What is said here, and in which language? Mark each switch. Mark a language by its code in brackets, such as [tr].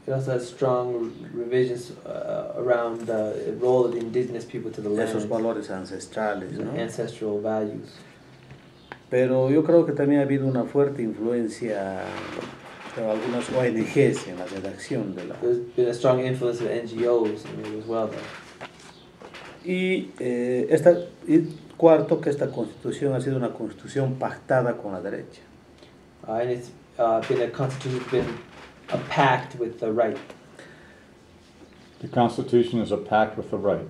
[en] It also has strong revisions around the role of the indigenous people to the land. [es] Esos valores ancestrales, ¿no? [en] Ancestral values. [es] Pero yo creo que también ha habido una fuerte influencia de algunas ONGs en la redacción de la... [en] There's been a strong influence of NGOs in it as well, though. [es] Y esta, y cuarto, que esta constitución ha sido una constitución pactada con la derecha. [en] And it's been a constitution, been a pact with the right. The constitution is a pact with the right.